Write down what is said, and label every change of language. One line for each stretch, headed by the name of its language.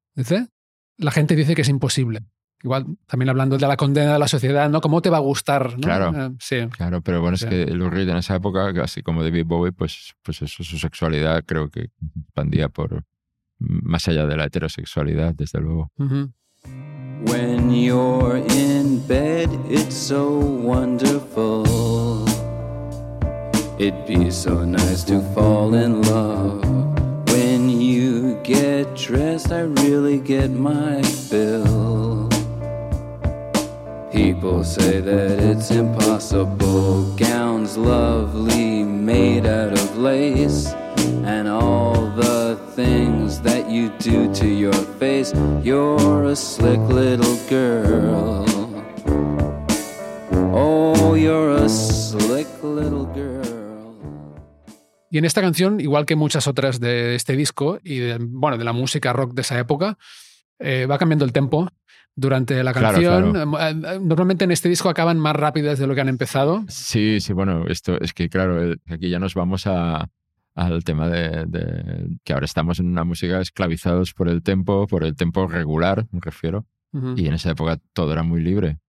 Spanish: Dice, la gente dice que es imposible. Igual, también hablando de la condena de la sociedad, ¿no? ¿Cómo te va a gustar? ¿No? Claro, sí. Claro, pero bueno, es que Lou Reed en esa época, así como David Bowie, pues eso, su sexualidad creo que expandía por más allá de la heterosexualidad, desde luego. Uh-huh.
English: When you're in bed, it's so wonderful. It'd be so nice to fall in love. When you get dressed, I really get my fill. People say that it's impossible. Gowns lovely made out of lace. And all the things that you do to your face. You're a slick little girl. Oh, you're a slick little girl.
Spanish: Y en esta canción, igual que muchas otras de este disco y de, bueno, de la música rock de esa época, va cambiando el tempo. Durante la canción, claro. Normalmente en este disco acaban más rápidas de lo que han empezado. Sí, sí, bueno, esto es que claro, aquí ya nos vamos al tema de que ahora estamos en una música esclavizados por el tempo regular, me refiero, uh-huh. Y en esa época todo era muy libre.